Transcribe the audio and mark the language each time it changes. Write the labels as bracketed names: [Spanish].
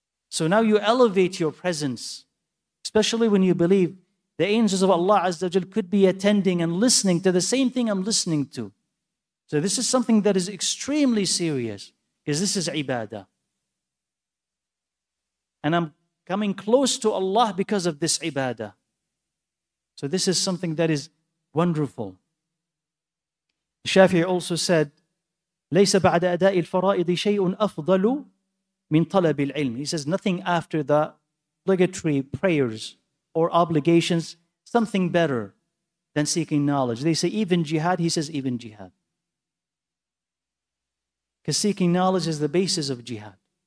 [English] So now you elevate your presence, especially when you believe the angels of Allah Azza wa Jal could be attending and listening to the same thing I'm listening to. So this is something that is extremely serious, because this is ibadah. And I'm coming close to Allah because of this ibadah. So this is something that is wonderful. Shafi'i also said, [Arabic] لَيْسَ بَعْدَ أَدَاءِ الْفَرَائِضِ شَيْءٌ أَفْضَلُ مِنْ طَلَبِ الْعِلْمِ. [English] He says, nothing after the obligatory prayers or obligations, something better than seeking knowledge. They say, even jihad, he says, even jihad. Because seeking knowledge is the basis of jihad.